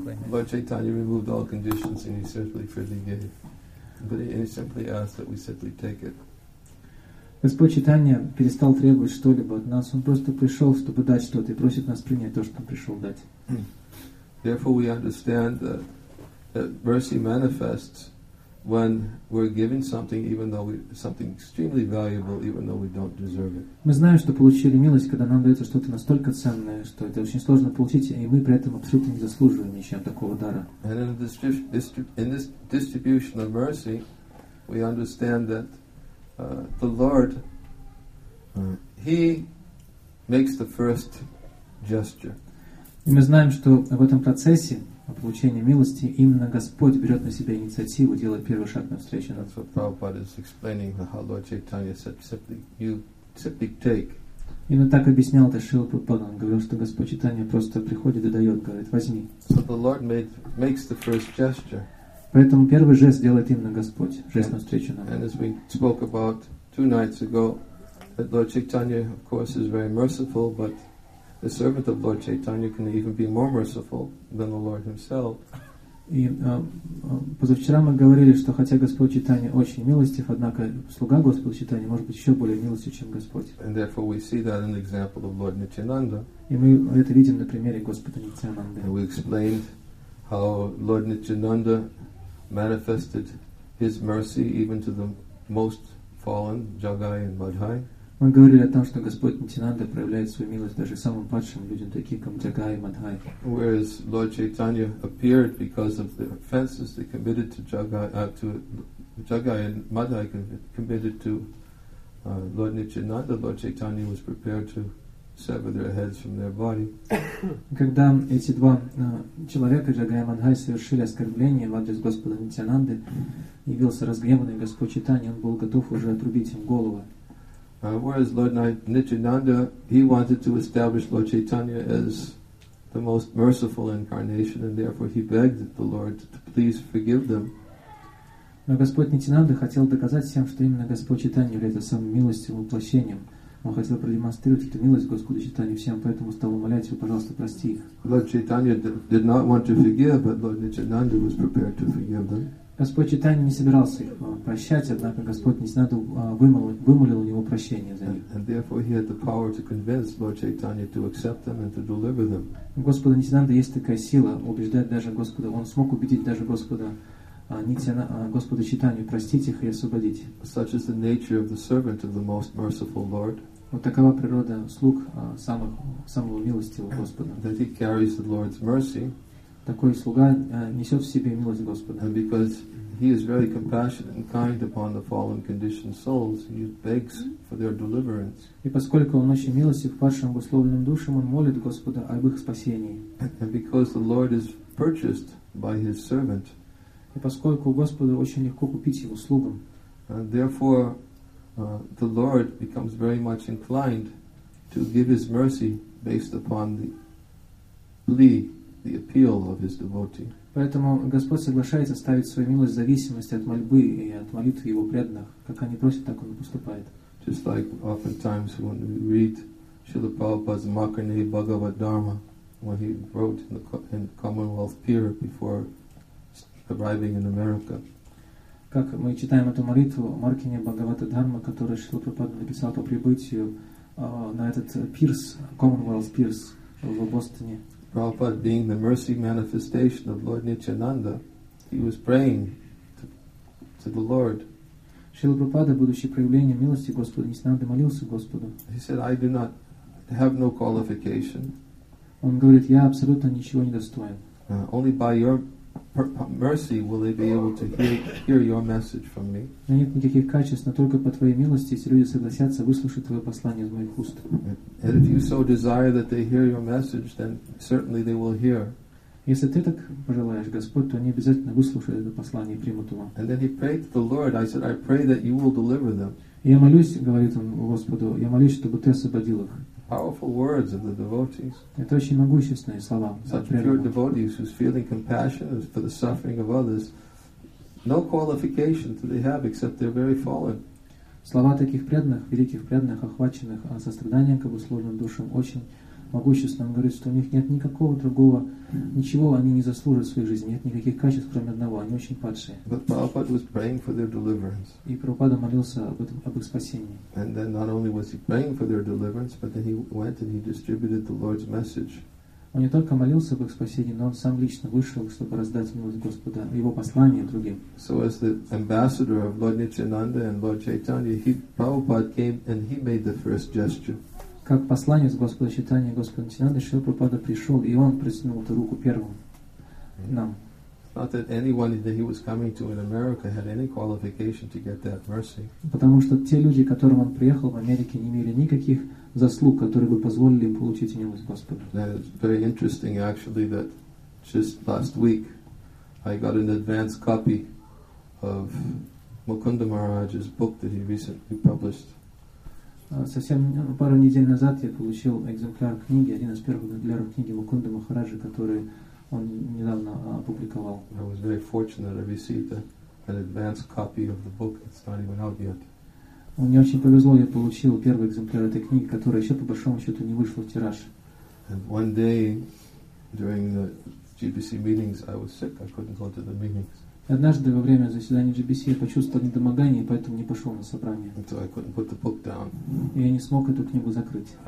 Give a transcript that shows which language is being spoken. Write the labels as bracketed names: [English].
[English] Lord Chaitanya removed all conditions and he simply freely gave. But he simply asked that we simply take it. [Russian] Господь Чайтанья перестал требовать что-либо от нас. Он просто пришел, чтобы дать что-то, и просит нас принять то, что он пришел дать. [English] Therefore we understand that, that mercy manifests when we're given something, even though something extremely valuable, even though we don't deserve it. [Russian] Мы знаем, что получили милость, когда нам дается что-то настолько ценное, что это очень сложно получить, и мы при этом абсолютно не заслуживаем ничего такого дара. [English] And in this distribution of mercy, we understand that the Lord, He makes the first gesture. [Russian] И мы знаем, что в этом процессе о получении милости, именно Господь берет на себя инициативу, делает первый шаг навстречу. [English] That's what Prabhupada is explaining, how Lord Chaitanya said, simply, you simply take. [Russian] Именно так объяснял это Шрила Прабхупада. Он говорил, что Господь Чайтанья просто приходит и дает, говорит, возьми. [English] So the Lord makes the first gesture. [Russian] Поэтому первый жест делает именно Господь, жест навстречу нам. [English] And as we spoke about two nights ago, that Lord Chaitanya, of course, is very merciful, but the servant of Lord Chaitanya can even be more merciful than the Lord himself. [Russian] И позавчера мы говорили, что хотя Господь Чайтанья очень милостив, однако слуга Господа Чайтанья может быть еще более милостив, чем Господь. [English] And therefore we see that in the example of Lord Nityananda. [Russian] И мы это видим на примере Господа Нитянанды. [English] And we explained how Lord Nityananda manifested his mercy even to the most fallen, Jagai and Madhai. [Russian] Мы говорили о том, что Господь Нитянанда проявляет свою милость даже самым падшим людям, таким как Джагай и Мадхай. [English] Whereas Lord Chaitanya appeared because of the offenses they committed to Jagai and Madhai committed to Lord Nityananda, Lord Chaitanya was prepared to sever their heads from their body. [Russian] Когда эти два человека, Джагай и Мадхай, совершили оскорбление в адрес Господа Нитянанды, явился разгневанный Господь Чайтанья, он был готов уже отрубить им голову. [English] Whereas Lord Nityananda, he wanted to establish Lord Chaitanya as the most merciful incarnation, and therefore he begged the Lord to please forgive them. [Russian] Но Господь Нитянанда хотел доказать всем, что именно Господь Чайтанья является самым милостивым воплощением. Он хотел продемонстрировать эту милость Господу Чайтанье всем, поэтому стал умолять его, пожалуйста, прости их. [English] Lord Chaitanya did not want to forgive, but Lord Nityananda was prepared to forgive them. [Russian] Господь Чайтанья не собирался их прощать, однако Господь Нитянанда вымолил у него прощение за них. [English] And therefore he had the power to convince Lord Chaitanya to accept them and to deliver them. [Russian] У Господа Нитянанды есть такая сила убеждать даже Господа. Он смог убедить даже Господа Господу Читанию простить их и освободить. [English] Such is the nature of the servant of the most merciful Lord. [Russian] Вот такова природа слуг самого милостивого Господа. [English] That he carries the Lord's mercy. [Russian] Такой слуга несет в себе милость Господа. [English] And because he is very compassionate and kind upon the fallen conditioned souls, he begs for their deliverance. [Russian] И поскольку он очень милостив к падшим обусловленным душам, он молит Господа об их спасении. [English] And because the Lord is purchased by his servant. [Russian] И поскольку Господу очень легко купить его слугам. [English] Therefore, the Lord becomes very much inclined to give his mercy based upon the plea, the appeal of his devotee. [Russian] Поэтому Господь соглашается ставить свою милость в зависимости от мольбы и от молитвы его преданных. Как они просят, так он и поступает. [English] Just like oftentimes when we read Srila Prabhupada's Makarnaya Bhagavad Dharma, when he wrote in the Commonwealth Pier before arriving in America. [Russian] Как мы читаем эту молитву Маркини Бхагавата Дхарма, которую Шрила Прабхупада написал по прибытию на этот пирс, Commonwealth Пирс в Бостоне. [English] Prabhupada being the mercy manifestation of Lord Nityananda, he was praying to the Lord. [Russian] Шрила Прабхупада, будучи проявлением милости Господа, Нитянанда молился Господу. [English] He said, I do not have no qualification. [Russian] Он говорит, я абсолютно ничего не достоин. [English] Only by your mercy will they be able to hear your message from me. [Russian] Но нет никаких качеств, но только по твоей милости эти люди согласятся выслушать твое послание из моих уст. [English] And if you so desire that they hear your message, then certainly they will hear. [Russian] Если ты так пожелаешь, Господь, то они обязательно выслушают это послание и примут его. [English] And then he prayed to the Lord. I said, I pray that you will deliver them. [Russian] Я молюсь, говорит он Господу, я молюсь, чтобы ты освободил их. [English] Powerful words of the devotees. [Russian] Это очень могущественные слова. [English] Such pure devotees who's feeling compassion for the suffering of others. No qualification do they have except they're very fallen. [Russian] Слова таких преданных, великих преданных, охваченных состраданием к обусловленным душам, очень могущественные. Он говорит, что у них нет никакого другого, ничего они не заслужат в своей жизни, нет никаких качеств, кроме одного, они очень падшие. [English] But Prabhupada was praying for their deliverance. [Russian] И Прабхупада молился об их спасении. [English] And then not only was he praying for their deliverance, but then he went and he distributed the Lord's message. [Russian] Он не только молился об их спасении, но он сам лично вышел, чтобы раздать милость Господа, его послание другим. [English] So as the ambassador of Lord Nityananda and Lord Chaitanya, Prabhupada came and he made the first gesture. [Russian] Как посланец Господа Читания Господа Нитянанды, Шрила Прабхупада пришел, и он протянул эту руку первым нам. [English] Not that anyone that he was coming to in America had any qualification to get that mercy. [Russian] Потому что те люди, к которым он приехал в Америке, не имели никаких заслуг, которые бы позволили им получить милость Господа. [English] That is very interesting, actually, that just last week I got an advance copy of Mukunda Maharaj's book that he recently published. [Russian] Совсем пару недель назад я получил экземпляр книги, один из первых экземпляров книги Мукунды Махараджи, который он недавно опубликовал. [English] I was very fortunate. I received an advanced copy of the book. It's not even out yet. [Russian] Мне очень повезло, я получил первый экземпляр этой книги, которая еще по большому счету не вышла в тираж. [English] And one day during the GBC meetings, I was sick. I couldn't go to the meetings. [Russian] И однажды во время заседания GBC я почувствовал недомогание, и поэтому не пошел на собрание. [English] So I couldn't put the book down. [Russian] И я не смог эту книгу закрыть.